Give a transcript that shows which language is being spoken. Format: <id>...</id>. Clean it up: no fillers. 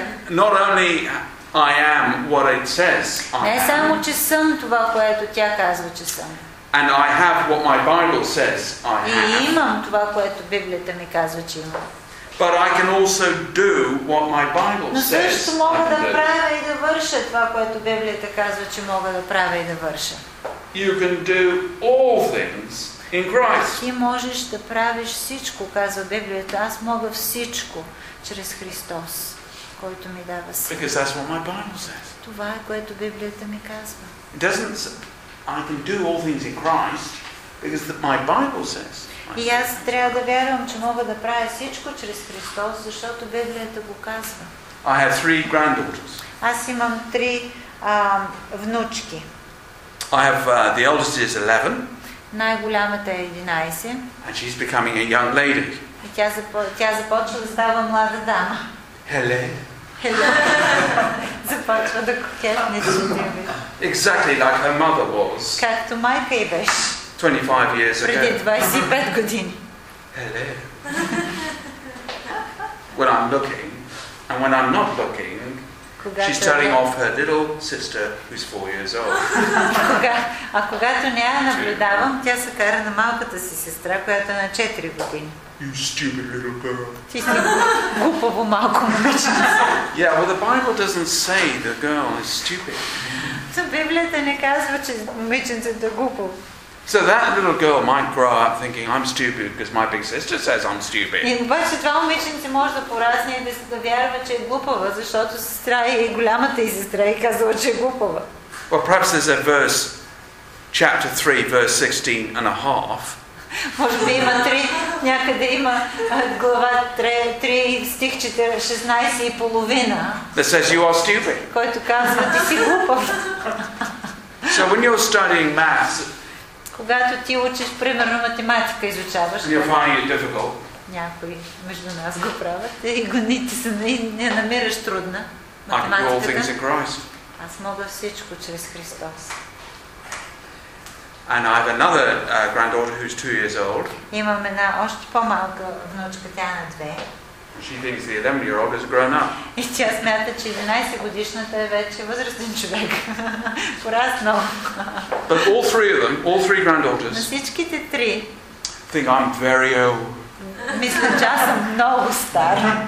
<en>Not only I am what it says.</en> <bg>Не само че съм това, което тя казва, че съм.</bg> <en>And I have what my Bible says I am.</en> <bg>И имам това, което Библията ми казва, че имам.</bg> <en>But I can also do what my Bible says.</en> <bg>Но също мога да правя и да върша това, което Библията казва, че мога да правя и да върша.</bg> <en>You can do all things in Christ.</en> <bg>Ти можеш да правиш всичко, казва Библията. Аз мога всичко чрез Христос, който ми дава сила.</bg> <en>Because that's what my Bible says.</en> <bg>Това е което Библията ми казва.</bg> <en>It doesn't say I can do all things in Christ because my Bible says.</en> <bg>И аз трябва да вярвам, че мога да правя всичко чрез Христос, защото Библията го казва.</bg> <en>I have three granddaughters.</en> <bg>Аз имам три внучки.</bg> <en>I have the eldest is 11.</en> <bg>Най-голямата е 11.</bg> <en>And she's becoming a young lady.</en> <bg>И тя започва да става млада дама. Хеле. Започва да кокетничи.</bg> <en>Exactly like her mother was.</en> <bg>Както майка й беше.</bg> <en>25 years ago.</en> <bg>Преди 25 години.</bg> <en>Hello. When I'm looking, and when I'm not looking,</en> <bg>когато</bg> <en>she's telling off her little sister who's 4 years old.</en> <bg>А когато не я наблюдавам, тя се кара на малката си сестра, която е на 4 години.</bg> <en>You stupid little girl.</en> <bg>Ти си глупаво малко момиче.</bg> <en>Yeah, well the Bible doesn't say the girl is stupid.</en> <bg>Библията не казва, че момиченцето е глупо.</bg> <en>So that little girl might grow up thinking I'm stupid because my big sister says I'm stupid.</en> <bg>И обаче това момиченце може да порасне и да вярва, че е глупава, защото сестра и голямата и сестра и казва, че е глупава.</bg> <en>Well, perhaps there's a verse, chapter 3, verse 16 and a half.</en> <bg>Може би има три, някъде има глава 3 стих 16 и половина.</bg> <en>That says you are stupid.</en> <bg>Който казва, ти си глупав.</bg> <en>So when you're studying math,</en> <bg>когато ти учиш примерно математика изучаваш,</bg> <en>you're finding it difficult.</en> <bg>Някои между нас го правят и гоните се, не намираш трудна математиката.</bg> <en>I can do all things in Christ.</en> <bg>Аз мога всичко чрез Христос.</bg> <en>And I have another granddaughter who's 2 years old.</en> <bg>Имам една още по-малка внучка, тя на 2.</bg> <en>She thinks the 11-year-old is grown up.</en> <bg>И тя смята, че 11-годишната е вече възрастен човек. Пораснал.</bg> <en>But all three of them, all three granddaughters,</en> <bg>всичките три,</bg> <en>think I'm very old.</en> <bg>Мисля, че аз съм много стар.</bg>